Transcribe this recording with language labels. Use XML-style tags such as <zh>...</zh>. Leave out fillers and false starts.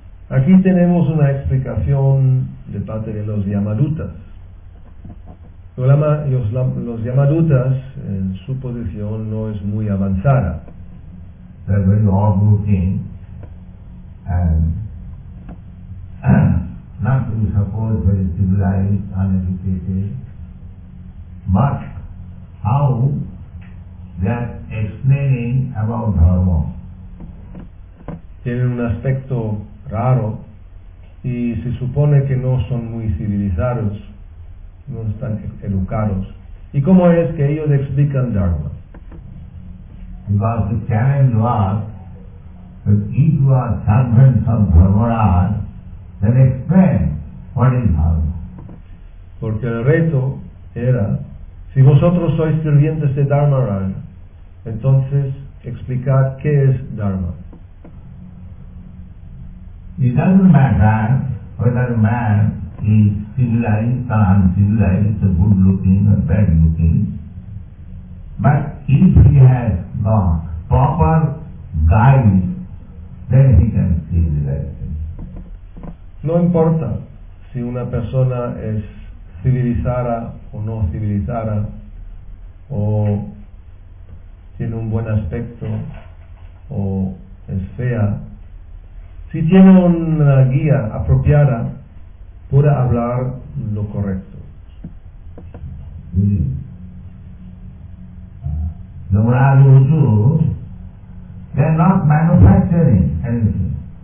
<es>Aquí tenemos una explicación de parte de los Yamadutas. Los Yamadutas, en su posición, no es muy avanzada.</es> <en>They're very odd looking, and not to be supposed very civilized, uneducated, but how they are explaining about Dharma.</en> <es>Tienen un aspecto raro, y se supone que no son muy civilizados, no están educados. ¿Y cómo es que ellos explican Dharma?</es> <en>Because the challenge was that if you are servants of Dharmaraj, then explain what is Dharma.</en> <es>Porque el reto era, si vosotros sois sirvientes de Dharmaraj, entonces explicad qué es Dharma.</es> <en>It doesn't matter whether a man is civilized or uncivilized, good looking or bad looking, but if he has the proper guide, then he can civilize.</en> <es>No importa si una persona es civilizada o no civilizada, o tiene un buen aspecto o es fea. Si tiene una guía apropiada, puede hablar lo correcto.</es> <en>The Maharaj also, they are not manufacturing anything.</en>